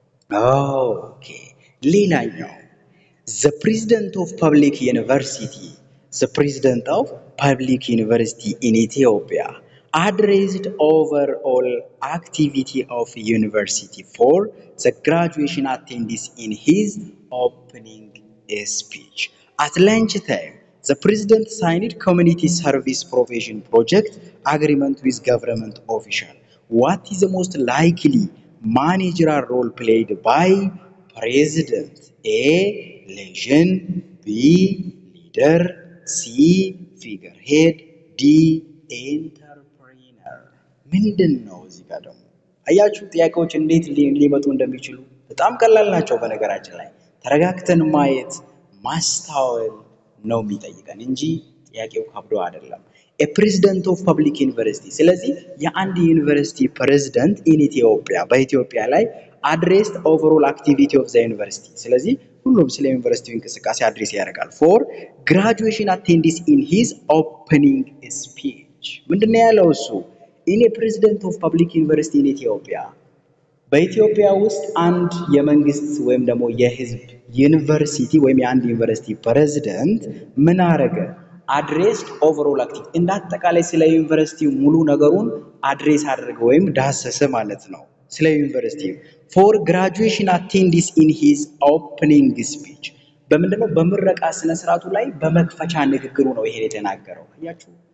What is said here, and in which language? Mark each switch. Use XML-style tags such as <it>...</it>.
<en>ኦኬ ሌላኛው ዘ ፕሬዚደንት ኦፍ ፐብሊክ ዩኒቨርሲቲ the president of public university in Ethiopia addressed overall activity of university for the graduation attendees in his opening speech. At lunch time, the president signed community service provision project agreement with government official. What is the most likely managerial role played by president? A. legend, B. leader, C. figurehead, D. entrepreneur.</en> <am>ምንድን ነው እዚህ ጋር ደግሞ? አያችሁ ጥያቄዎች እንዴት ሊመጡ እንደሚችሉ? በጣም ቀላል ናቸው። በነገራችን ላይ ተረጋግተን ማየት ማስተዋል ነው የሚጠይቀን እንጂ ጥያቄው ከብዶ አይደለም።</am> <en>A president of public university.</en> <am>ስለዚህ የአንድ ዩኒቨርሲቲ ፕሬዝዳንት</am> <en>in Ethiopia</en> <am>በኢትዮጵያ ላይ</am> <en>addressed overall activity of the university.</en> <am>ስለዚህ ሁሉም ስለ ዩኒቨርሲቲው እንቅስቃሴ አድሬስ ያደርጋል።</am> <en>for graduation attendees in his opening speech</en> <am>ምንድነው ያለው እሱ?</am> <en>in a president of public university in Ethiopia.</en> <am>በኢትዮጵያ ውስጥ አንድ የመንግስት ወይም ደግሞ የህዝብ ዩኒቨርሲቲ ወይም አንድ ዩኒቨርሲቲ ፕሬዝዳንት ምን አረገ?</am> <en>አድሬስ ኦቨርኦል አክቲቭ</en> <am>እንዳጠቃላይ ስለ ዩኒቨርሲቲው ሙሉ ነገሩን አድሬስ አደረገ ወይም ዳሰሰ ማለት ነው ስለ ዩኒቨርሲቲው</am> <en>ፎር ግራጁዌሽን አቴንዲስ ኢን ሂዝ ኦፕኒንግ ስፒች</en> <am>በምንድነው በመረቃ ስነ ስርዓቱ ላይ በመክፈቻ ንግግሩ ነው ይሄን የተናገረው አያችሁ</am>